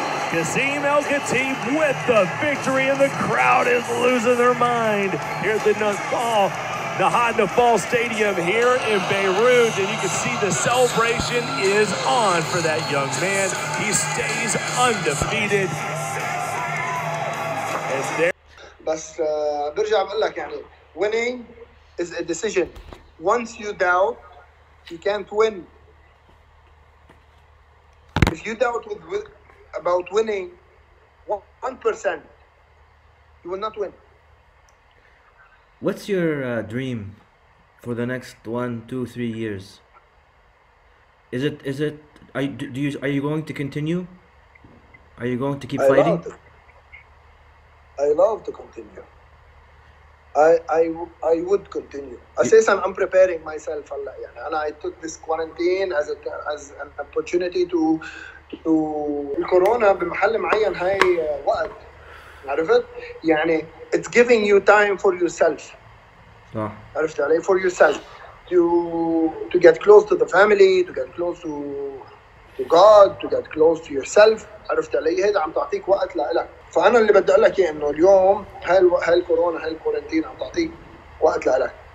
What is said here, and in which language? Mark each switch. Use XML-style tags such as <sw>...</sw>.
<en>Kassem El Khatib with the victory, and the crowd is losing their mind here at the Nassau, the Hot Nassau Stadium here in Beirut. And you can see the celebration is on for that young man. He stays undefeated.</en> <ar>بس برجع بقول لك، يعني</ar> <en>winning is a decision. Once you doubt, you can't win. If you doubt about winning 1%, you will not win. What's your dream for the next 1, 2, 3 years? Is it? Are you going to continue? Are you going to keep fighting? I love to continue. I would continue.</en> <ar>أساساً</ar> <en>I'm preparing myself.</en> <ar>يعني أنا</ar> <en>I took this quarantine as an opportunity to</en> <ar>الكورونا بمحل معين هاي وقت، عرفت؟ يعني</ar> <en>it's giving you time for yourself.</en> <ar>صح. عرفت علي؟</ar> <en>For yourself to get close to the family, to get close to God, to get close to yourself.</en> <ar>عرفت علي؟ هذا عم تعطيك وقت لإلك. فأنا اللي بدي أقول لك إنه اليوم هالكورونا هالكورنتين عم تعطيك وقت لإلك.</ar>